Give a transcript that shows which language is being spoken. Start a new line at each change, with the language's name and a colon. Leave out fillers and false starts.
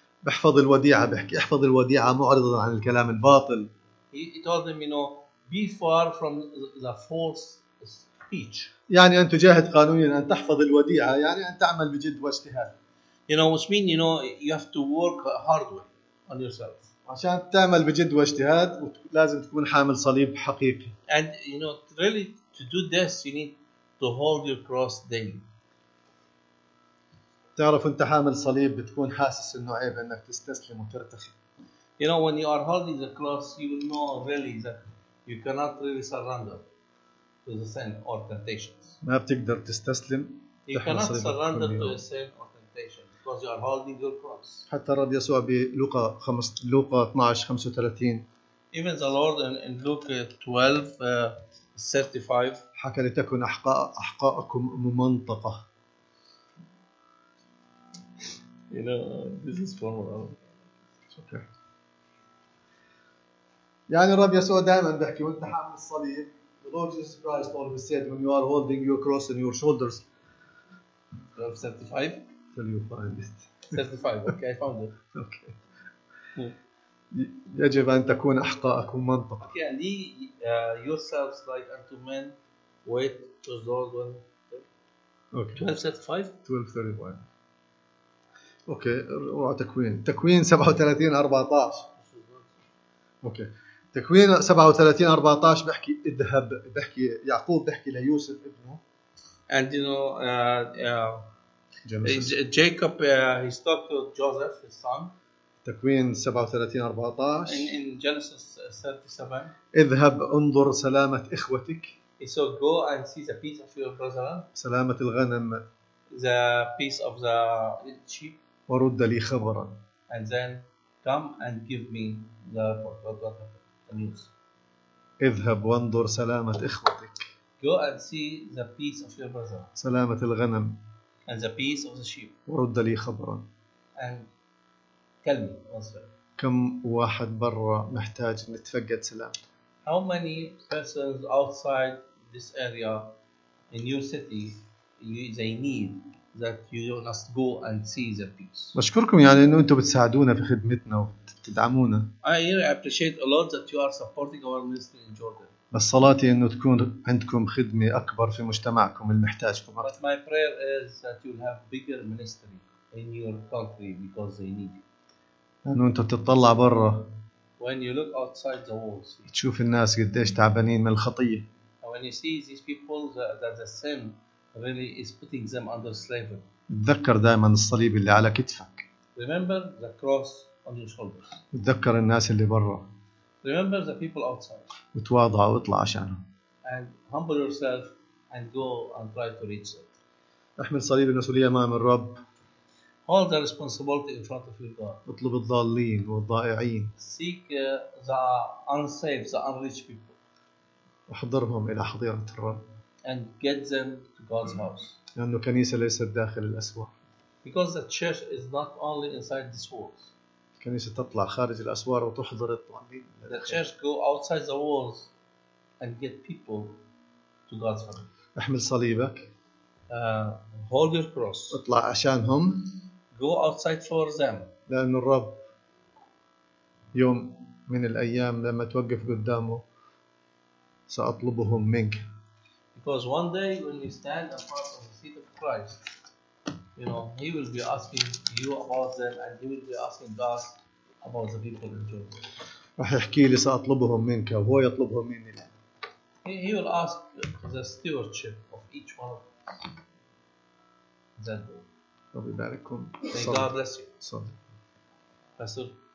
Arabic: بحفظ الوديعة بحكي احفظ الوديعة معرضة عن الكلام الباطل.
English: He told them, you know, be far from the false speech.
Arabic: يعني أن تجاهد قانونيا أن تحفظ الوديعة يعني أن تعمل بجد واجتهاد.
English: You know, which means, you know, you have to work hard way on yourself.
Arabic: عشان تعمل بجد واجتهاد لازم تكون حامل صليب حقيقي.
English: And you know, really to do this, you need to hold your cross daily.
Arabic: تعرف أنت حامل صليب بتكون حاسس إنه عيب إنك تستسلم وترتخي.
English: You know, when you are holding the cross, you know really that you cannot really surrender to the sin or temptations.
Arabic: ما بتقدر تستسلم.
English: You cannot surrender to the sin or temptation. Because you are holding your cross.
Arabic: حتى الرب يسوع بلوقا 12:35.
English: Even the Lord in Luke 12:35.
Arabic: حكى لتكن أحقاءكم ممنطقة.
English: You know, this is formal. It's okay.
Arabic: يعني الرب يسوع دائما بحكي وانت حامل الصليب.
English: The Lord Jesus Christ always said when you are holding your cross on your shoulders. 12:35. Till you find it. 35. Okay, I found it. Okay.
Arabic: يجب أن تكون أحقاقك منطقة.
English: Okay, and yourselves like unto men, wait to the Lord when. Okay. 12:35. 12:31. Okay.
Arabic: روعة تكوين. تكوين 37:14.
English: Okay.
Arabic: تكوين 37:14 بحكي اذهب بحكي يعقوب بحكي ليوسف ابنه.
English: And you know. Jacob, he talked to Joseph, his son.
Arabic: تكوين 37:14.
English: In Genesis 37.
Arabic: اذهب انظر سلامة إخوتك.
English: He said, go and see the peace of your brethren.
Arabic: سلامة الغنم.
English: The peace of the sheep.
Arabic: ورد لي خبرا.
English: And then come and give me the report, the news.
Arabic: اذهب وانظر سلامة إخوتك.
English: Go and see the peace of your brethren.
Arabic: سلامة الغنم.
English: And the peace of the sheep.
Arabic: ورد لي خبرا.
English: And tell me also.
Arabic: كم واحد برا محتاج نتفقد سلام.
English: How many persons outside this area, in your city, they need that you must go and see the peace.
Arabic: بشكركم يعني إنه أنتم بتساعدونا في خدمتنا وتدعمونا.
English: I really appreciate a lot that you are supporting our ministry in Jordan.
Arabic: بس صلاتي إنه تكون عندكم خدمة أكبر في مجتمعكم المحتاج في مصر.
English: But my prayer is that you'll have bigger ministry in your country because they need you.
Arabic: لأنه أنت بتطلع برا.
English: When you look outside the walls.
Arabic: تشوف الناس قديش تعبانين من الخطية.
English: When you see these people that the sin really is putting them under slavery.
Arabic: تذكر دائما الصليب اللي على كتفك.
English: Remember the cross on your shoulders.
Arabic: تذكر الناس اللي برا.
English: Remember the people outside.
Arabic: وتواضع واطلع عشانه.
English: And humble yourself and go and try to reach it.
Arabic: احمل صليب المسؤولية امام الرب.
English: All the responsibility in front of your God.
Arabic: اطلب الضالين والضائعين.
English: Seek the unsaved, the unreached people.
Arabic: وحضرهم إلى حضيرة الرب.
English: And get them to God's house.
Arabic: لأنه كنيسة ليست داخل الأسوار.
English: Because the church is not only inside this walls.
Arabic: الكنيسة تطلع خارج الأسوار وتحضر الضالين.
English: The church go outside the walls and get people to God's house.
Arabic: احمل صليبك.
English: Hold your cross.
Arabic: اطلع عشانهم.
English: Go outside for them.
Arabic: لأن الرب يوم من الأيام لما توقف قدامه سأطلبهم منك.
English: Because one day when you stand apart from the seat of Christ, you know He will be asking you about them, and He will be asking God about the people in Jordan.
Arabic: رح يحكي لي سأطلبهم منك وهو يطلبهم مني.
English: He will ask the stewardship of each one of them.
Arabic: ربي يبارككم.
English: May God bless you.
Arabic: صلي.
English: Pastor.